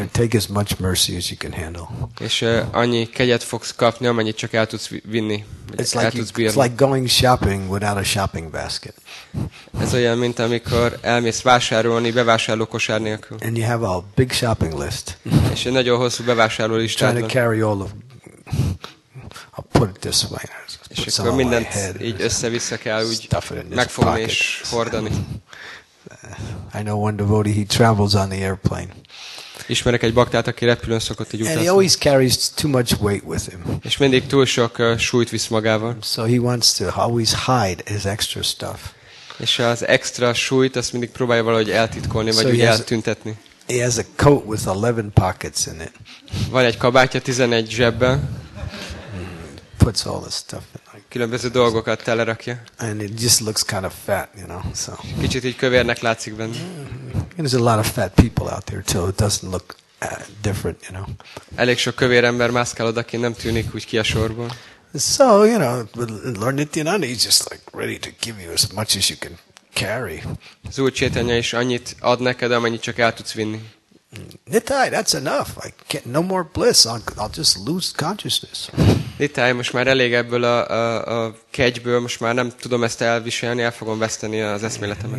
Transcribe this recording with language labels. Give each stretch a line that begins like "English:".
English: And take as much mercy as you can handle.
Hungarian: És annyi kegyet fogsz kapni, amennyit csak el tudsz vinni.
English: It's like going shopping without a shopping basket.
Hungarian: Ez olyan, mint amikor elmész vásárolni bevásárló kosár nélkül.
English: And you have a big shopping list.
Hungarian: És egy nagyon hosszú bevásárló listát.
English: Trying to carry all of, I'll put it this way.
Hungarian: És akkor mindent így össze-vissza kell úgy megfogni és hordani.
English: I know one devotee, he travels on the airplane.
Hungarian: Ismerek egy baktát, aki repülőn szokott így utazni.
English: And he always carries too much weight with him.
Hungarian: És mindig túl sok súlyt visz magával.
English: So he wants to always hide his extra stuff.
Hungarian: És az extra súlyt, azt mindig próbálja valahogy eltitkolni, vagy úgy eltüntetni.
English: He has a coat with 11 pockets in it.
Hungarian: Van egy kabátja 11 zsebben.
English: Puts all the stuff in.
Hungarian: Különböző dolgokat telerakja.
English: And it just looks kind of fat, you know. So.
Hungarian: Kicsit így kövérnek látszik benne.
English: There's a lot of fat people out there, so it doesn't look different, you know.
Hungarian: Elég sok kövér ember mászkál oda, aki nem tűnik úgy ki a sorból.
English: So, you know, Lord Nityananda, he's just like ready to give you as much as you can carry.
Hungarian: Az Úr Chaitanya is annyit ad neked, amennyit csak el tudsz vinni.
English: Nitai, that's enough. I can't, no more bliss. I'll just lose consciousness.
Hungarian: Nitai, most már elég ebből a kegyből, most már nem tudom ezt elviselni, el fogom veszteni az eszméletemet.